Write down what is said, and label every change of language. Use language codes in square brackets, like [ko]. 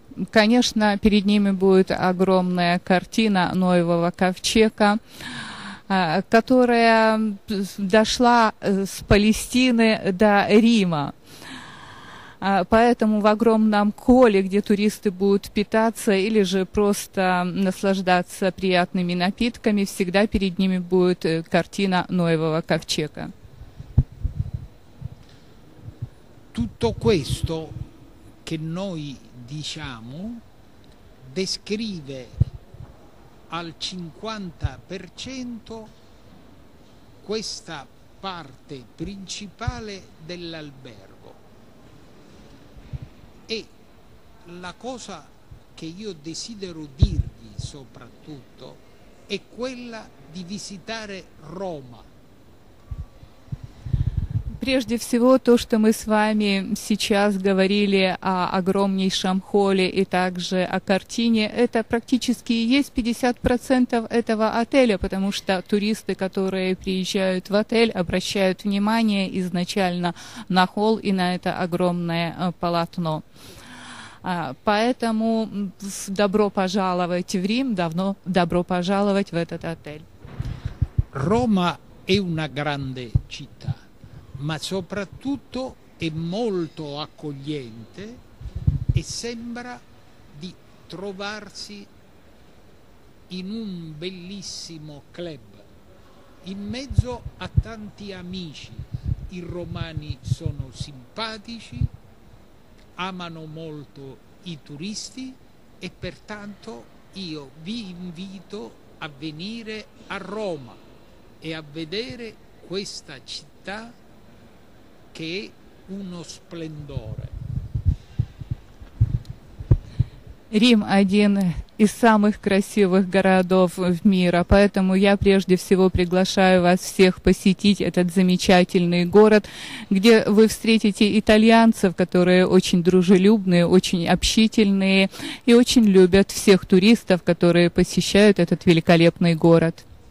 [ru] Конечно, перед ними будет огромная картина Ноевого ковчега, которая дошла с Палестины до Рима. Поэтому в огромном холле, где туристы будут питаться или же просто наслаждаться приятными напитками, всегда перед ними будет картина Ноевого ковчега. [it] Tutto questo che noi diciamo descrive al 50% questa parte principale dell'albergo. E la cosa che io desidero dirvi soprattutto è quella di visitare Roma. [ru] Прежде всего, то, что мы с вами сейчас говорили о огромнейшем холле и также о картине, это практически и есть 50% этого отеля, потому что туристы, которые приезжают в отель, обращают внимание изначально на холл и на это огромное полотно. Поэтому добро пожаловать в Рим, давно добро пожаловать в этот отель. Рома – это большая [it] città. Ma soprattutto è molto accogliente e sembra di trovarsi in un bellissimo club, in mezzo a tanti amici. I romani sono simpatici, amano molto i turisti e pertanto io vi invito a venire a Roma e a vedere questa città che è uno splendore. [ru] Рим – один из самых красивых городов в мире, поэтому я прежде всего приглашаю вас всех посетить этот замечательный город, где вы встретите итальянцев, которые очень дружелюбные, очень общительные и очень любят всех туристов, которые посещают этот великолепный город.